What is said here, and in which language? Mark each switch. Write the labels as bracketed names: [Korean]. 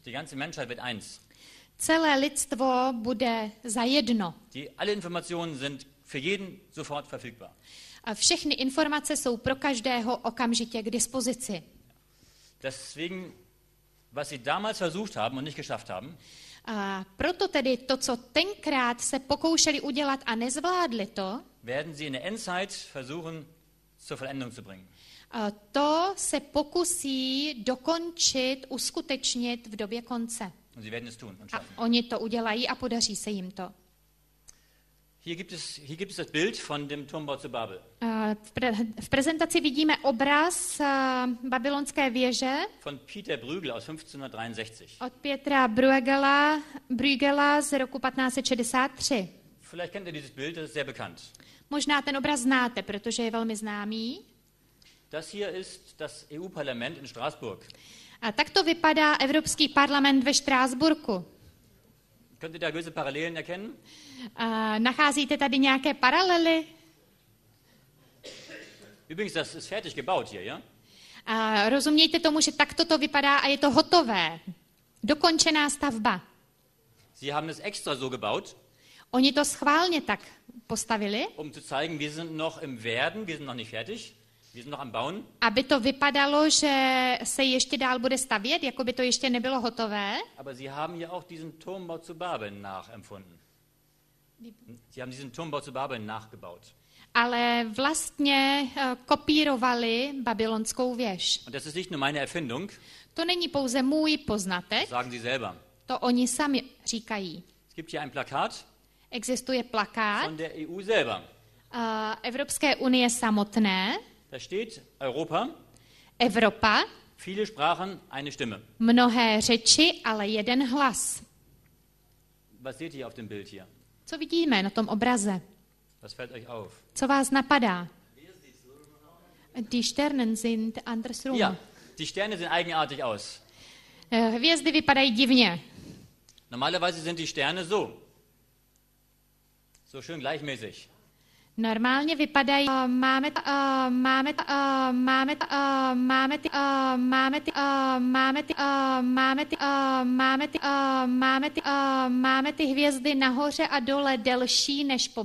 [German] Die ganze Menschheit wird eins. [Czech] Celé lidstvo bude zajedno. [German] Alle Informationen sind für jeden sofort verfügbar. [Czech] A všechny informace jsou pro každého okamžitě k dispozici. [German] Deswegen, was sie damals versucht haben und nicht geschafft haben. [Czech] A proto tedy to, co tenkrát se pokoušeli udělat a nezvládli to, [German] werden sie in der Endzeit versuchen zur Vollendung zu bringen. [Czech] To se pokusí dokončit, uskutečnit v době konce. [German] Und sie werden es tun und schaffen. [Czech] A oni to udělají a podaří se jim to. [German] Hier gibt es das Bild von dem Turmbau zu Babel. [Czech] V prezentaci vidíme obraz babylonské věže. [German] Von Peter Bruegel aus 1563. [Czech] Od Petra Bruegela z roku 1563. [German] Vielleicht kennt ihr dieses Bild, das ist sehr bekannt. [Czech] Možná ten obraz znáte, protože je velmi známý. [German] Das hier ist das EU-Parlament in Straßburg. [Czech] A tak to vypadá Evropský parlament ve Štrásburku. [German] Könnt ihr da gewisse Parallelen erkennen? [Czech] Nacházíte tady nějaké paralely? [German] Übrigens, das ist fertig gebaut hier, ja? [Czech] Rozumějte tomu, že takto to vypadá a je to hotové. Dokončená stavba. [German] Sie haben es extra so gebaut. [Czech] Oni to schválně tak postavili. [German] Um zu zeigen, wir sind noch im Werden, wir sind noch nicht fertig. Wir sind noch am Bauen. [Czech] Aby to vypadalo, že se ještě dál bude stavět, jako by to ještě nebylo hotové. [German] Aber sie haben ja auch diesen Turmbau zu Babel nachempfunden. Sie haben diesen Turmbau zu Babel nachgebaut. [Czech] Ale vlastně kopírovali babylonskou věž. [German] Und das ist nicht nur meine Erfindung. [Czech] To není pouze můj poznatek. [German] Sagen sie selber. [Czech] To oni sami říkají. [German] Es gibt hier ein Plakat. [Czech] Existuje plakát. [German] Von der EU selber. [Czech] Evropské unie samotné. [German] Da steht Europa. [Czech] Evropa. [German] Viele Sprachen, eine Stimme. [Czech] Mnohé řeči, ale jeden hlas. [German] Was seht ihr auf dem Bild hier? [Czech] Co vidíme na tom obraze? [German] Was fällt euch auf? [Czech] Co vás napadá? [German] Die Sterne sind andersrum. Ja, die Sterne sehen eigenartig aus. [Czech] Hvězdy vypadají divně. [German] Normalerweise sind die Sterne so. So schön gleichmäßig. [Czech] Normálně vypadají máme ty hvězdy nahoře a dole delší než po